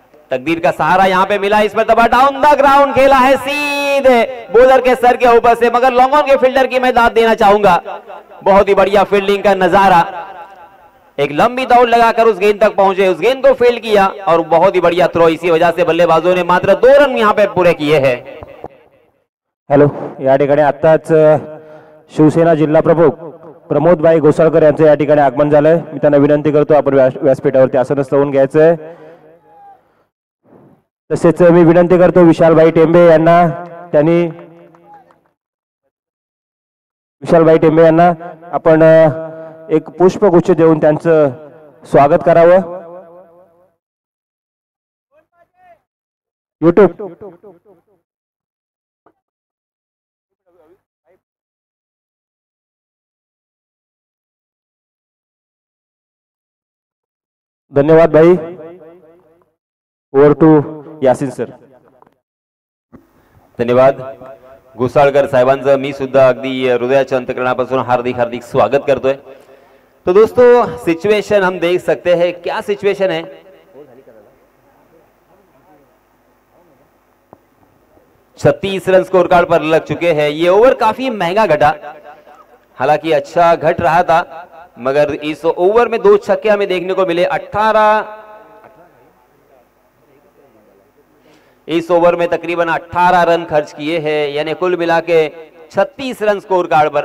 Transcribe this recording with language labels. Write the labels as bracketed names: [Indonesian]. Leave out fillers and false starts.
[Hindi] तकदीर का सहारा यहां पे मिला, इसमें दबा डाउन द ग्राउंड खेला है सीधे बॉलर के सर के ऊपर से, मगर लॉन्ग ऑन के फील्डर की मैं दाद देना चाहूंगा। बहुत ही बढ़िया फील्डिंग का नजारा, एक लंबी दौड़ लगाकर उस गेंद तक पहुंचे, उस गेंद को फील्ड किया और बहुत ही बढ़िया थ्रो, इसी वजह से बल्लेबाजों ने मात्र 2 रन यहां पे पूरे किए हैं। [Marathi] हेलो, या ठिकाणी आताच शिवसेना जिल्हा प्रमुख प्रमोद भाई घोसाळकर यांचं या ठिकाणी आगमन झालंय, मी त्यांना विनंती करतो आपण व्यासपीठावरती आसनस्थ होऊन घ्यायचंय। तसेच मी विनंती करतो विशालभाई टेंबे यांना, त्यांनी विशालभाई टेंबे यांना आपण एक पुष्पगुच्छ देऊन त्यांचं स्वागत करावं। यूट्यूब धन्यवाद भाई, [English] over to [Marathi] यासीन सर। धन्यवाद घोसाळकर साहेबांचं, मी सुद्धा अगदी हृदयाच्या अंतकरणापासून हार्दिक स्वागत करतोय। [Hindi] तो दोस्तों सिचुएशन हम देख सकते हैं, क्या सिचुएशन है, छत्तीस रन स्कोर कार्ड पर लग चुके हैं। ये ओवर काफी महंगा घटा, हालांकि अच्छा घट रहा था, मगर इस ओवर में दो छक्के हमें देखने को मिले, 18 इस ओवर में तकरीबन 18 रन खर्च किए हैं, यानी कुल मिला के 36 रन स्कोर कार्ड पर।